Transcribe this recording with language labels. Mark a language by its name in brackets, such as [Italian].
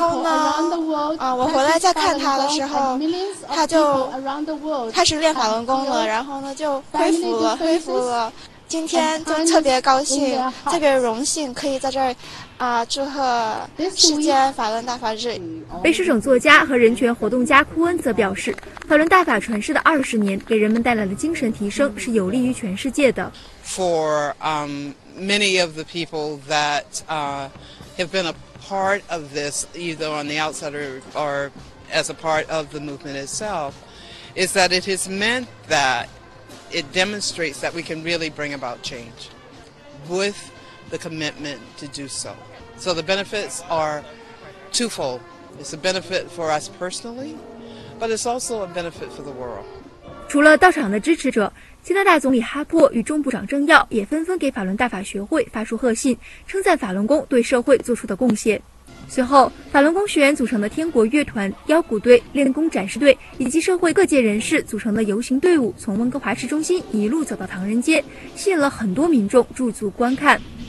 [Chinese] 然后呢，我回来再看她的时候，她就开始练法轮功了，然后呢就恢复了。今天就特别高兴，特别荣幸可以在这儿祝贺世界法轮大法日。卑诗省作家和人权活动家库恩则表示，法轮大法传世的20年给人们带来的精神提升是有利于全世界的。 [English] For many of the people that have been a part of this, either on the outside or as a part of the movement itself, is that it has meant that. It demonstrates that we can really bring about change with the commitment to do so. So the benefits are twofold. It's a benefit for us personally, but it's also a benefit for the world. [Chinese] 除了到场的支持者，加拿大总理哈珀与众部长政要也纷纷给法轮大法学会发出贺信，称赞法轮功对社会做出的贡献。随后，法轮功学员组成的天国乐团、腰鼓队、练功展示队以及社会各界人士组成的游行队伍，从温哥华市中心一路走到唐人街，吸引了很多民众驻足观看。